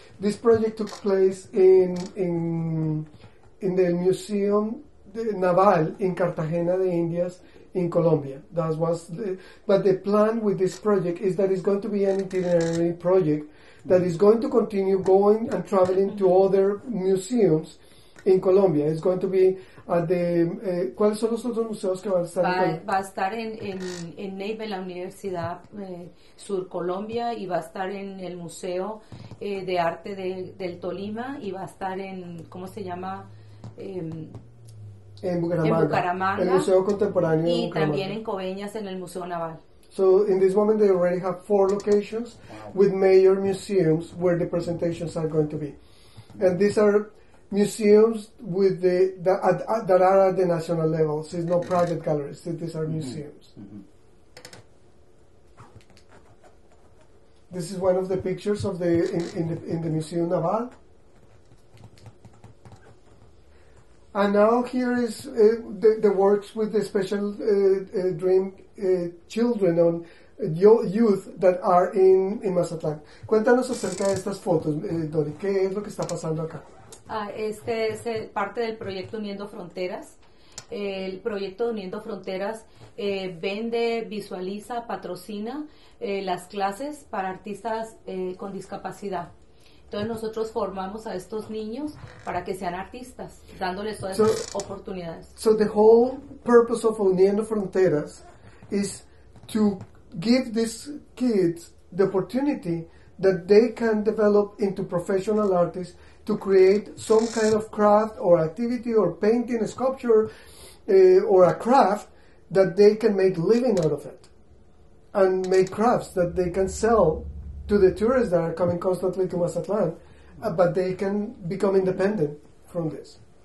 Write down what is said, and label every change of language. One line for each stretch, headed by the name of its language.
English: This project took place in the Museum Naval in Cartagena de Indias, in Colombia. That was but the plan with this project is that it's going to be an itinerary project that is going to continue going and traveling to other museums in Colombia. It's going to be at the
Spanish: ¿cuáles son los otros museos que van a estar? Va a estar en Neiva, la Universidad Sur Colombia, y va a estar en el Museo de Arte del Tolima, y va a estar en ¿cómo se llama? En Bucaramanga, el Museo Contemporáneo y también en Coveñas en el Museo Naval.
English: So in this moment they already have four locations with major museums where the presentations are going to be, and these are museums with that are at the national level. So it's not private galleries. So these are museums. This is one of the pictures of the Museo Naval. And now here is the works with the Special Dream children on youth that are in Mazatlán.
Spanish: Cuéntanos acerca de estas fotos, Dory. ¿Qué es lo que está pasando acá? Este es parte del proyecto Uniendo Fronteras. El proyecto Uniendo Fronteras vende, visualiza, patrocina las clases para artistas con discapacidad. Entonces nosotros formamos a estos niños para que sean artistas, dándoles todas las oportunidades.
English: So the whole purpose of Uniendo Fronteras is to give these kids the opportunity that they can develop into professional artists to create some kind of craft or activity or painting, a sculpture, or a craft that they can make living out of it and make crafts that they can sell to the tourists that are coming constantly to Mazatlán, but they can become independent from this.